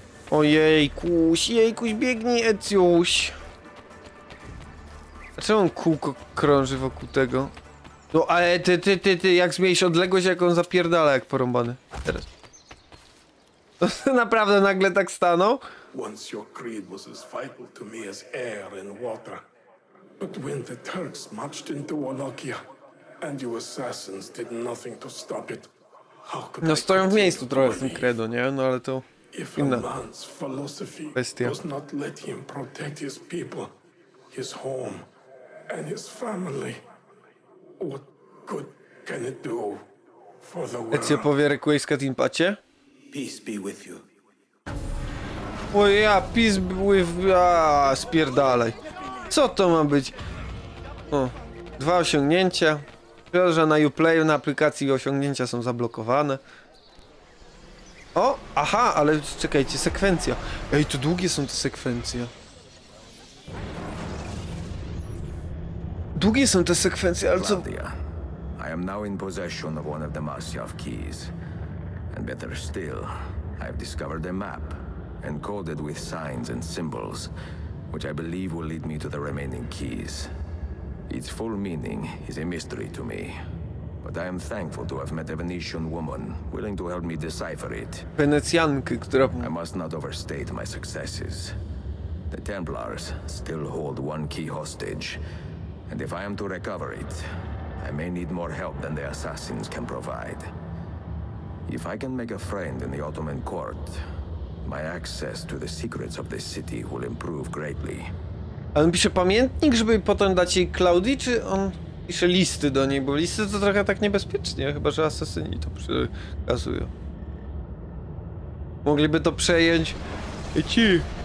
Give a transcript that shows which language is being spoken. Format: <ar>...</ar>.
<pl>Ojejkuś, jejkuś, biegnij, Ecjuś. A czemu on kółko krąży wokół tego? No, ale ty, jak zmniejsz odległość, jak on zapierdala, jak porąbany. Teraz. To naprawdę nagle tak stanął?</pl> <en>Once your creed was as vital to me as air and water. But when the Turks marched into Wallachia and you assassins did nothing to stop it, how could</en> <pl>no, stoją w miejscu trochę w tym credo, nie? No ale to inna kwestia.</pl> <en>Does not let him protect his people, his home and his family, what good can it do for the world?</en> <pl>Ecio powie rekuejska tym pacie?</pl> <en>Peace be with you.</en> <pl>O ja,</pl> <en>peace with...</en> <pl>spierdalaj. Co to ma być? O, dwa osiągnięcia. Przepraszam, że na Uplay, na aplikacji osiągnięcia są zablokowane. O, aha, ale czekajcie, sekwencja. Ej, to długie są te sekwencje. Długie są te sekwencje, ale co...</pl> <en>Claudia, I am now in possession of one of the Masyaf keys. And better still, I've discovered a map. Encoded with signs and symbols, which I believe will lead me to the remaining keys. Its full meaning is a mystery to me, but I am thankful to have met a Venetian woman willing to help me decipher it.</en> <pl>Venecjankę, która...</pl> <en>I must not overstate my successes. The Templars still hold one key hostage, and if I am to recover it, I may need more help than the assassins can provide. If I can make a friend in the Ottoman court, my access to the secrets of this city will improve greatly.</en> <pl>On pisze pamiętnik, żeby potem dać jej Klaudii, czy on pisze listy do niej, bo listy to trochę tak niebezpiecznie, chyba że asasyni to przekazują. Mogliby to przejąć. I ci.</pl>